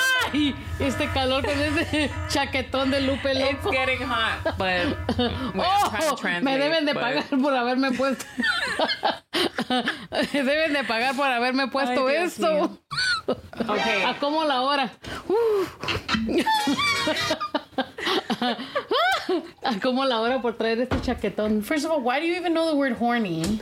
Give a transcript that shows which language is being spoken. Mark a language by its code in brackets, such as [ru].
[es] Ay, este calor con ese chaquetón de Lupe Loco. [en] It's getting hot, but we're trying to translate. [es] Me deben de pagar por haberme puesto. Deben de pagar por haberme puesto ay, esto. [en] Okay. [es] ¿A cómo la hora? ¿A cómo la hora por traer este chaquetón? [en] First of all, why do you even know the word horny?